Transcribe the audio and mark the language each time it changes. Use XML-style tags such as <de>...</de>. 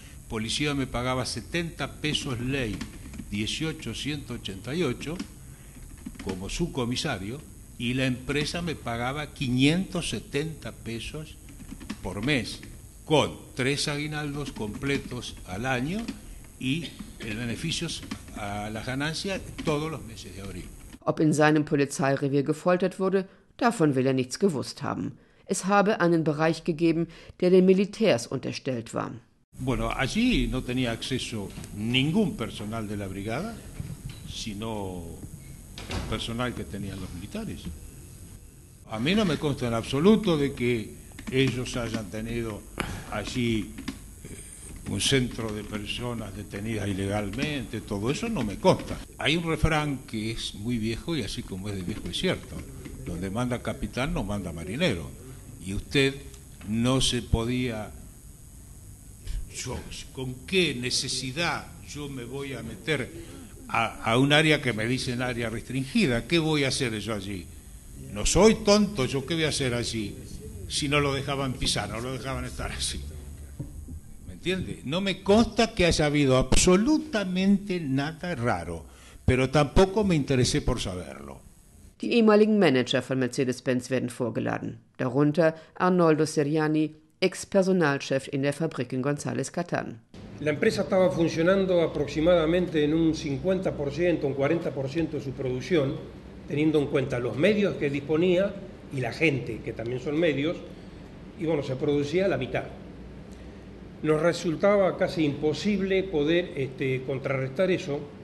<es>Policía me pagaba 70 pesos ley, 18.188, como subcomisario, y la empresa me pagaba 570 pesos por mes, con 3 aguinaldos completos al año y el beneficio a las ganancias todos los meses de abril.</es> <de>Ob in seinem Polizeirevier gefoltert wurde, davon will er nichts gewusst haben. Es habe einen Bereich gegeben, der den Militärs unterstellt war.</de> <es>Bueno, allí no tenía acceso ningún personal de la brigada, sino personal que tenían los militares. A mí no me consta en absoluto de que ellos hayan tenido allí un centro de personas detenidas ilegalmente, todo eso no me consta. Hay un refrán que es muy viejo y así como es de viejo es cierto. Donde manda capitán no manda marinero. Y usted no se podía... ¿Con qué necesidad yo me voy a meter a un área que me dicen área restringida? ¿Qué voy a hacer yo allí? No soy tonto, ¿yo qué voy a hacer allí? Si no lo dejaban pisar, no lo dejaban estar así. ¿Me entiende? No me consta que haya habido absolutamente nada raro, pero tampoco me interesé por saberlo.</es> <de>Die ehemaligen Manager von Mercedes-Benz werden vorgeladen, darunter Arnoldo Seriani, Ex-Personalchef in der Fabrik in González Catán.</de> <es>La empresa estaba funcionando aproximadamente en un 50%, un 40% de su producción, teniendo en cuenta los medios que disponía y la gente, que también son medios, y bueno, se producía la mitad. nos resultaba casi imposible poder contrarrestar eso.</es>